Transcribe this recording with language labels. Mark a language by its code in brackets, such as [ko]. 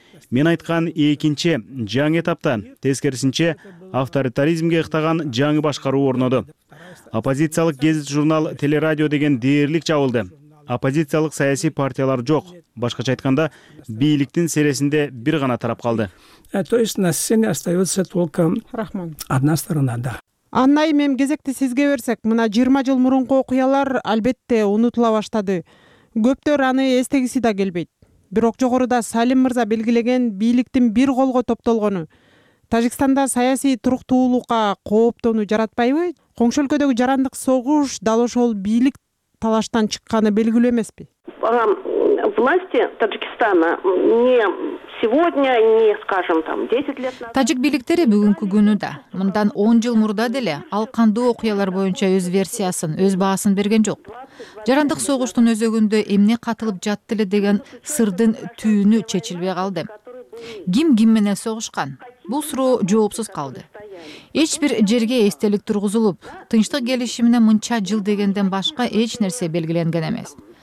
[ky] Мен айткан экинчи жаңы этапта тескерисинче авторитаризмге ыктаган жаңы башкаруу орноду. Оппозициялык гезит журнал Телерадио деген дээрлик жабылды. Оппозициялык саясий партиялар жок. Башкача айтканда, бийликтин сересинде бир гана тарап калды. [ru] То есть на сцене остается только Рахман. Одна сторона, да. [ky] Анна, эми кезекти сизге берсек, мына 20 жыл мурунку окуялар албетте унутула баштады. Көптөр аны эстегиси да келбейт. Бирок жогоруда Салим мырза белгилеген бийликтин бир колго топтолгону Тажикстанда саясий туруктуулукка кооптону жаратпайбы? Коңшу өлкөдөгү жарандык согуш дал ошол бийлик талаштан чыкканы белгилүү эмеспи? [ru] Власти Таджикистана не сегодня, не, скажем, там 10 лет назад. [ky] Тажик бийликтери бүгүнкү күнү да, мындан 10 жыл мурда деле ал кандуу окуялар боюнча өз версиясын, өз баасын берген жок. Жарандык согуштун өзөгүндө эмне катылып жатты эле деген сырдын түйүнү чечилбей калды. Ким ким менен согушкан? Бул суроо жоопсуз калды. Эч бир жерге эстелик тургузулуп, тынчтык келишимине мынча жыл дегенден башка эч нерсе белгиленген эмес.